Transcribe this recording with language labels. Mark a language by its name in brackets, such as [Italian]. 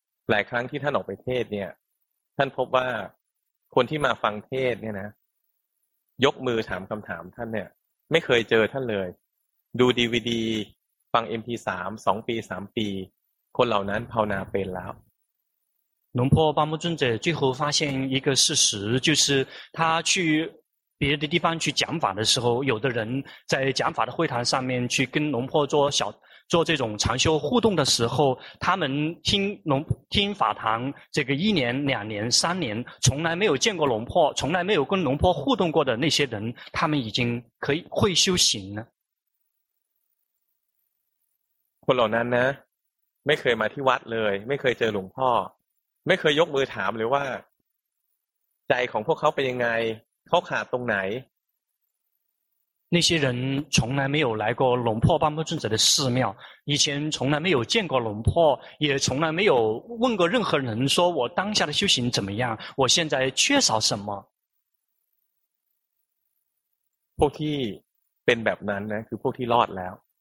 [Thai] หลายครั้งที่ท่านออกไปเทศเนี่ยท่านพบว่าคนที่มาฟังเทศเนี่ยนะยกมือถามคำถามท่านเนี่ยไม่เคยเจอท่านเลยดูดีวีดีฟัง MP3 2ปี3ปีคนเหล่านั้นภาวนาเป็นแล้ว [Chinese] 龙坡巴木尊者最后发现一个事实就是他去别的地方去讲法的时候有的人在讲法的会堂上面去跟龙坡做这种禅修互动的时候他们听法堂这个一年两年三年从来没有见过龙坡从来没有跟龙坡互动过的那些人他们已经可以会修行了 [Thai] คนเหล่านั้นนะไม่เคยมาที่วัดเลยไม่เคยเจอหลวงพ่อไม่เคยยกมือถามเลยว่าใจของพวกเขาเป็นยังไงเขาขาดตรงไหน [Chinese] 那些人从来没有来过龙破巴木尊者的寺庙以前从来没有见过龙破也从来没有问过任何人说我当下的修行怎么样我现在缺少什么 [Thai] พวกที่เป็นแบบนั้นนะคือพวกที่รอดแล้ว